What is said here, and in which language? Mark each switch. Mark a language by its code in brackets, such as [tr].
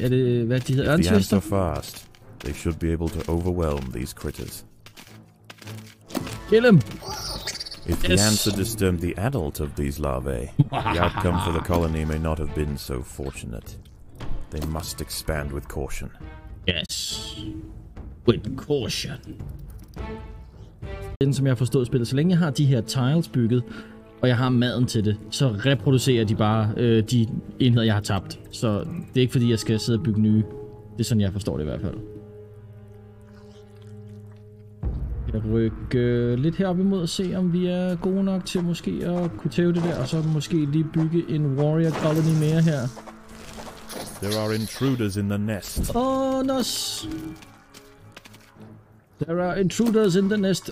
[en] If the ants are fast, they should be able to overwhelm these critters. Kill him! If the ants had disturbed the adult of these larvae, the outcome for the colony may not have been so fortunate. They must expand with caution. Yes. With caution. [da] Inden som jeg forstod spillet, så længe jeg har de her tiles bygget, og jeg har maden til det, så reproducerer de bare de enheder, jeg har tabt. Så det er ikke fordi, jeg skal sidde og bygge nye. Det er sådan, jeg forstår det i hvert fald. Jeg rykker lidt herop imod og se, om vi er gode nok til måske at kunne tæve det der, og så måske lige bygge en warrior colony mere her. [en] There are intruders in the nest. Oh, nos. There are intruders in the nest.